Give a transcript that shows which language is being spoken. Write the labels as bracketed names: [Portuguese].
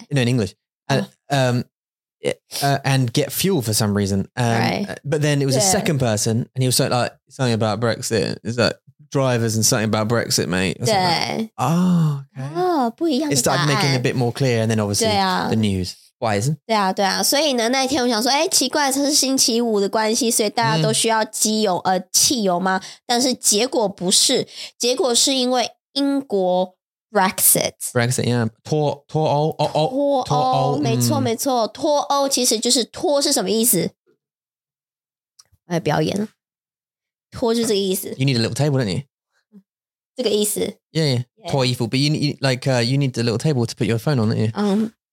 [English] No, in English. And get fuel for some reason. Right. But then it was a second person and he was sort of like, something about Brexit. It's like, drivers and something about Brexit, mate. [Chinese] 对 [English] like, Oh, okay. Oh, [Chinese] 不一样的答案 [English] It started making a bit more clear and then obviously the news. Why isn't? [Chinese] 对啊对啊所以呢那天我想说哎奇怪它是星期五的关系所以大家都需要机油、汽油吗但是结果不是结果是因为英国 Brexit [English] yeah [Chinese] 脱欧没错没错脱欧其实就是脱是什么意思来表演脱就是这个意思 [English] You need a little table don't you [Chinese] 这个意思 [English] Yeah, yeah. [Chinese] 脱衣服 [English] But you need, like,you need a little table to put your phone on don't you